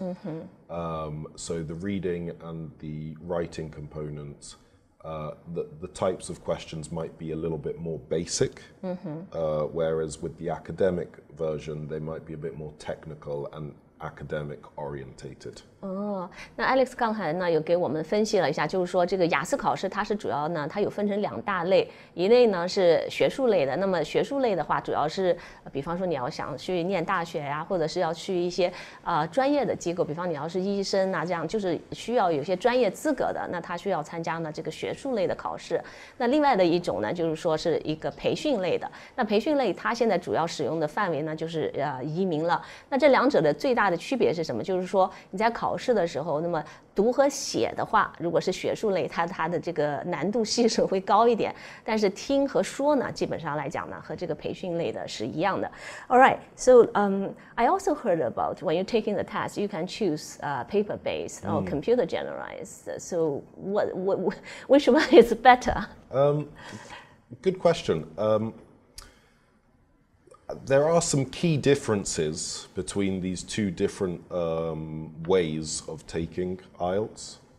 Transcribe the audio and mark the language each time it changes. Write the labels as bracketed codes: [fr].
[en] Mm-hmm. So the reading and the writing components, the types of questions might be a little bit more basic, whereas with the academic version, they might be a bit more technical and academic orientated. [zh] 哦，那 Alex 刚才呢有给我们分析了一下，就是说这个雅思考试它是主要呢，它有分成两大类，一类呢是学术类的。那么学术类的话，主要是、比方说你要想去念大学呀、或者是要去一些专业的机构，比方你要是医生啊，这样就是需要有些专业资格的，那他需要参加呢这个学术类的考试。那另外的一种呢，就是说是一个培训类的。那培训类它现在主要使用的范围呢，就是移民了。那这两者的最大的区别是什么？就是说你在考试的时候，那么读和写的话，如果是学术类，它的这个难度系数会高一点。但是听和说呢，基本上来讲呢，和这个培训类的是一样的。 [en] All right, so I also heard about when you're taking the test, you can choose paper-based or computer-generalized. So which one is better? Good question. There are some key differences between these two different ways of taking IELTS.